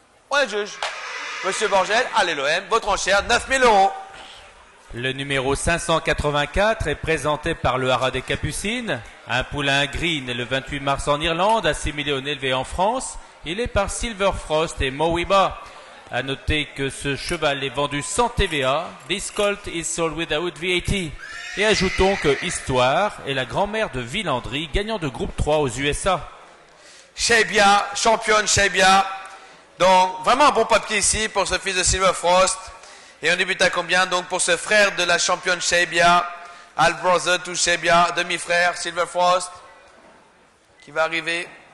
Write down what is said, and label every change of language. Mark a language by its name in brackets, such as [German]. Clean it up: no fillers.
[French] On est juge. Monsieur Borgel, allez l'OM, votre enchère, 9000 euros. Le numéro 584 est présenté par le Haras des Capucines, un poulain gris né le 28 mars en Irlande, assimilé au élevé en France. Il est par Silver Frost et Mowiba. A noter que ce cheval est vendu sans TVA. [English] This colt is sold without VAT. [French] Et ajoutons que Histoire est la grand-mère de Villandry, gagnant de groupe 3 aux USA. Shebia, championne Shebia. Donc, vraiment un bon papier ici pour ce fils de Silver Frost. Et on débute à combien? Donc, pour ce frère de la championne Shebia, [English] Al Brother to Shebia, [French] demi-frère Silver Frost, qui va arriver.